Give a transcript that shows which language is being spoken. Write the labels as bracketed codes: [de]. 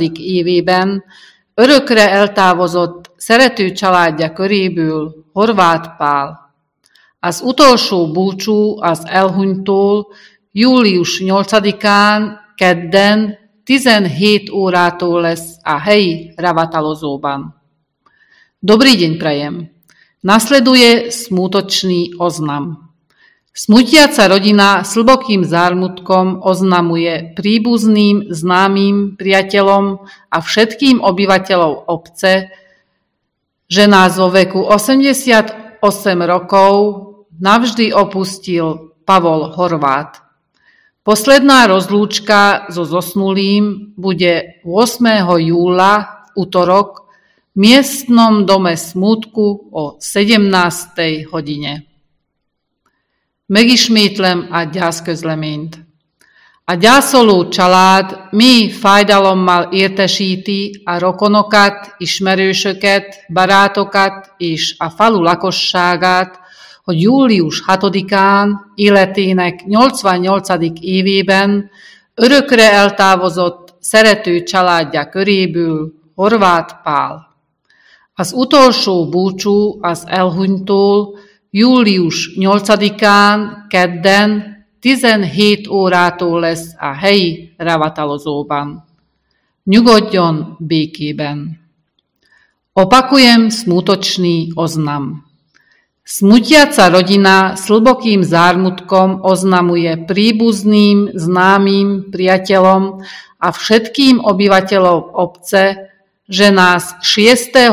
[hu] évében örökre eltávozott szerető családja köréből Horváth Pál. Az utolsó búcsú az elhunytól július 8-án, kedden, 17 órától lesz a helyi ravatalozóban. [sk] Dobrý deň prajem. Nasleduje smutočný oznam. Smutiaca rodina s hlbokým zármutkom oznamuje príbuzným, známym, priateľom a všetkým obyvateľom obce, že nás vo veku 88 rokov navždy opustil Pavol Horváth. Posledná rozlúčka so zosnulým bude 8. júla v utorok v miestnom dome smútku o 17. hodine. [hu] Megismétlem a gyászközleményt. A gyászoló család mi fájdalommal értesíti a rokonokat, ismerősöket, barátokat és a falu lakosságát, hogy július 6-án életének 88. évében örökre eltávozott szerető családja köréből Horváth Pál. Az utolsó búcsú az elhunytól július 8-án, kedden, 17 órától lesz a helyi ravatalozóban. Nyugodjon békében! [sk] Opakujem smutočný oznam. Smutiaca rodina s hlbokým zármutkom oznamuje príbuzným, známym, priateľom a všetkým obyvateľom obce, že nás 6.